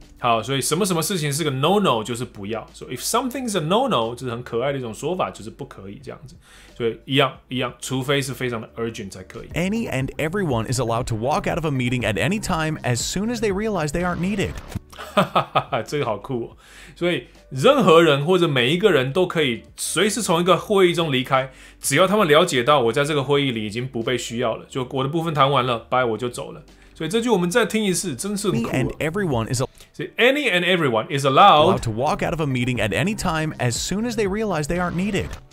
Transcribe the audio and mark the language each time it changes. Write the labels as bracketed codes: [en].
[zh] 好，所以什么什么事情是个 no-no 就是不要。 [en] So if something is a no-no， [zh] 就是很可爱的一种说法，就是不可以这样子。所以一样，除非是非常的 urgent 才可以。 [en] Any and everyone is allowed to walk out of a meeting at any time as soon as they realize they aren't needed. [zh] 哈哈哈，这个好酷哦。所以任何人或者每一个人都可以随时从一个会议中离开，只要他们了解到我在这个会议里已经不被需要了，就我的部分谈完了，拜，我就走了。所以这句我们再听一次，真是很酷。 [en] Me and everyone is any and everyone is allowed to walk out of a meeting at any time as soon as they realize they aren't needed.